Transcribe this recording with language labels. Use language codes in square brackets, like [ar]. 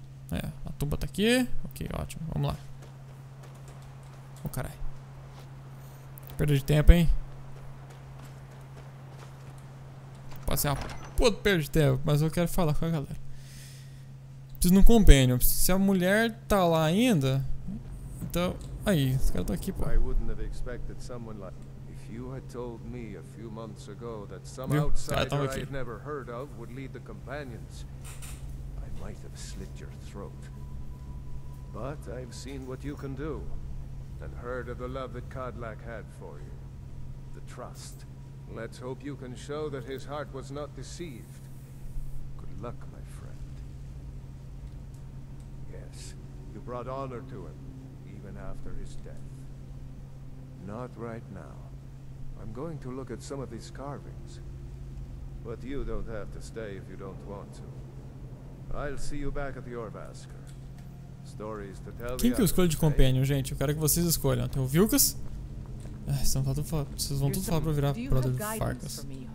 [pt] É, a tumba tá aqui. Ok, ótimo. Vamos lá. Ô, caralho. Perda de tempo, hein? Pode ser uma puta perda de tempo, mas eu quero falar com a galera. Preciso de um companion. Se a mulher tá lá ainda... Então... Aí, os caras estão aqui, pô. Eu não esperava que alguém lá... [en] You had told me a few months ago that some outsider I had never heard of would lead the companions. I might have slit your throat. But I've seen what you can do, and heard of the love that Cadillac had for you. The trust. Let's hope you can show that his heart was not deceived. Good luck, my friend. Yes, you brought honor to him, even after his death. Not right now. I'm going to look at some of these carvings. But you don't have to stay if you don't want to. I'll see you back at the Orvascar. Stories to tell. [pt] Quem que eu escolho de companion, gente? Eu quero que vocês escolham. Tem o Vilcas? Ah, vocês vão tudo falar, pra virar brother do Farcas.